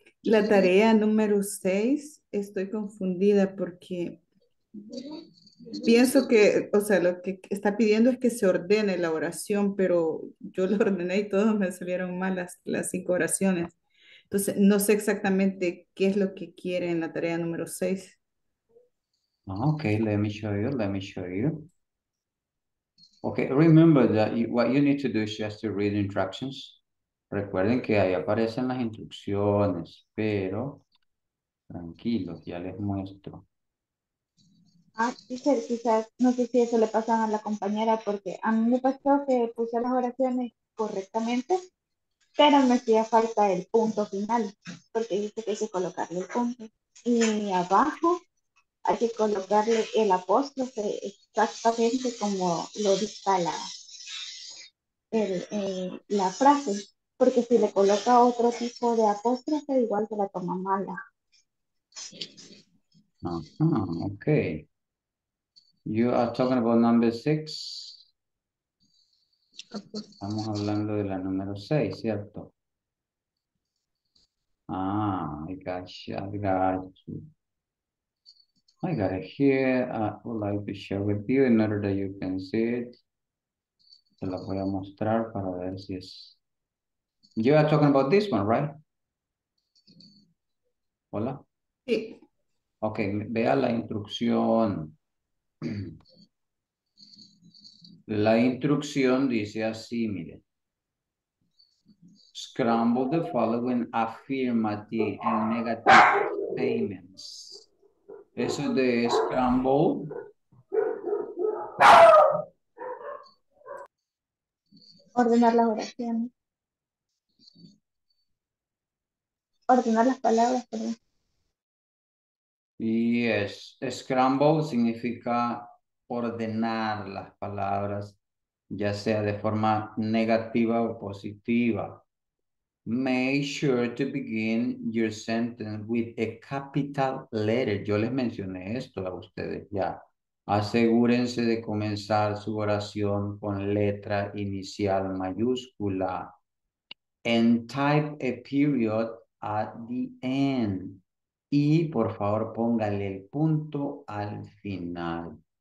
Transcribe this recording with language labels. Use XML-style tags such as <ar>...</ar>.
<es>La tarea número 6, estoy confundida porque pienso que, o sea, lo que está pidiendo es que se ordene la oración, pero yo lo ordené y todos me salieron mal las 5 oraciones. Entonces, no sé exactamente qué es lo que quiere en la tarea número 6.</es> <en>Okay, let me show you. Okay, remember that what you need to do is just to read instructions.</en> <es>Recuerden que ahí aparecen las instrucciones, pero tranquilos, ya les muestro. Ah, quizás, no sé si eso le pasa a la compañera, porque a mí me pasó que puse las oraciones correctamente, pero me hacía falta el punto final, porque dice que hay que colocarle el punto. Y abajo hay que colocarle el apóstrofe exactamente como lo dicta la frase, porque si le coloca otro tipo de apóstrofe, igual se la toma mala.</es> <en>Uh-huh, ok. You are talking about number 6.</en> <es>Estamos hablando de la número 6, ¿cierto?</es> <en>Ah, I got you. I got it here. I would like to share with you in order that you can see it.</en> <es>Te la voy a mostrar para ver si es...</es> <en>You are talking about this one, right?</en> <es>Hola? Sí. Okay, vea la instrucción. La instrucción dice así, mire.</es> <en>Scramble the following affirmative and negative statements.</en> <es>Eso de scramble. Ordenar las oraciones. Ordenar las palabras, perdón. Yes, scramble significa ordenar las palabras, ya sea de forma negativa o positiva.</es> <en>Make sure to begin your sentence with a capital letter.</en> <es>Yo les mencioné esto a ustedes ya. Asegúrense de comenzar su oración con letra inicial mayúscula.</es> <en>And type a period at the end.</en> <es>Y, por favor, póngale el punto al final.</es>